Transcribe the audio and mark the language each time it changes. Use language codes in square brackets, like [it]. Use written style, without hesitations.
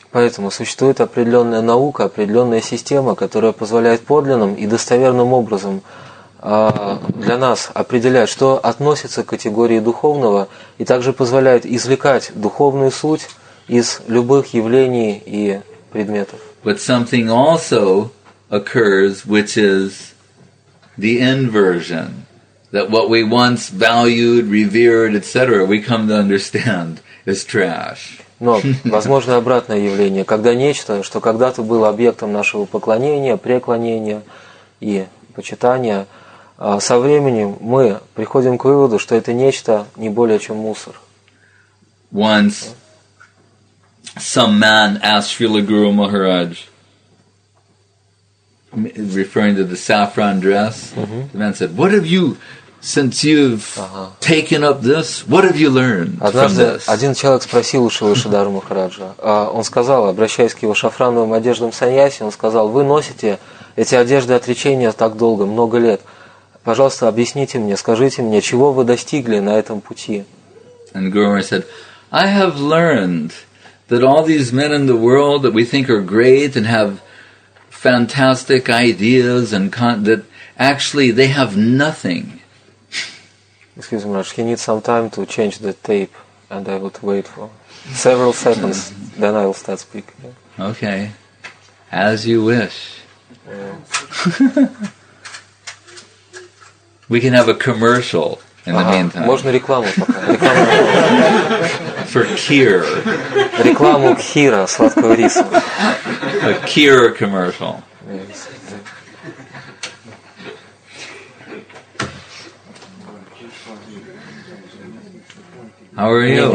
[ru] Поэтому существует определенная наука, определенная система, которая позволяет подлинным и достоверным образом для нас определять, что относится к категории духовного, и также позволяет извлекать духовную суть из любых явлений и предметов. [en] But something also occurs, which is the inversion, that what we once valued, revered, etc., we come to understand is trash. [ru] Но возможно обратное явление, когда нечто, что когда-то было объектом нашего поклонения, преклонения и почитания, со временем мы приходим к выводу, что это нечто не более чем мусор. [en] Once some man asked Srila Guru Maharaj, referring to the saffron dress, the man said, "What have you, since you've taken up this, what have you learned [ru] Однажды [en] from this?" [ru] Один человек спросил у Шрилы Шридхара Махараджа. Он сказал, обращаясь к его шафрановым одеждам саньяси, он сказал: "Вы носите эти одежды отречения так долго, много лет. Пожалуйста, объясните мне, скажите мне, чего вы достигли на этом пути?" [en] And Guru Maharaj said, "I have learned that all these men in the world that we think are great and have fantastic ideas and that actually they have nothing." Excuse me, he needs some time to change the tape, and I would wait for several seconds, then I will start speaking. Okay, as you wish. We can have a commercial in the meantime. [ru] Можно рекламу пока. [en] For Kheer. [ru] Рекламу Кхира, сладкого риса. [en] A Kheer commercial. How are you?